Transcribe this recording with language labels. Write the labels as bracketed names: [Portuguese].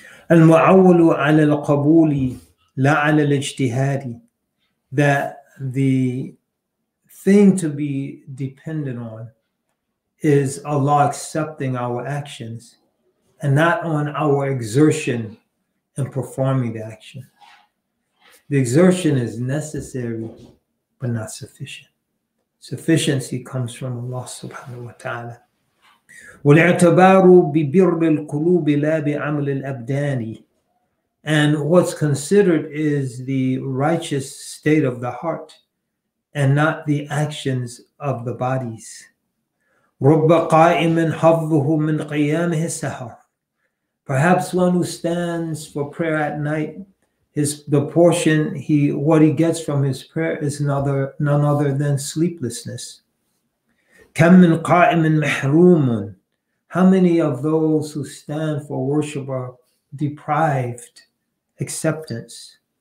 [Arabic] المعول على القبول لا على الاجتهاد, [English] that the thing to be dependent on is Allah accepting our actions and not on our exertion in performing the action. The exertion is necessary but not sufficient. Sufficiency comes from Allah subhanahu wa ta'ala. [Arabic] والاعتبار ببر القلوب لا بعمل الأبدان. [English] And what's considered is the righteous state of the heart and not the actions of the bodies. [Arabic] رب قائم حظه من قيامه السحر. [English] Perhaps one who stands for prayer at night, what he gets from his prayer is none other than sleeplessness. [Arabic] كم من قائم محروم. [English] How many of those who stand for worship are deprived acceptance?